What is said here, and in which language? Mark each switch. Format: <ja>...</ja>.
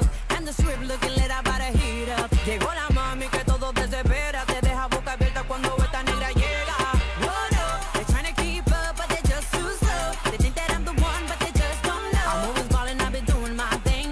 <en>And the strip looking lit, I about to heat up.</en> <es>Llegó la mami que todo desespera. Te deja boca abierta cuando esta negra llega.</es> <en>Oh no, they're trying to keep up, but they're just too slow. They think that I'm the one, but they just don't know. I'm always balling, I've been doing my thing.</en>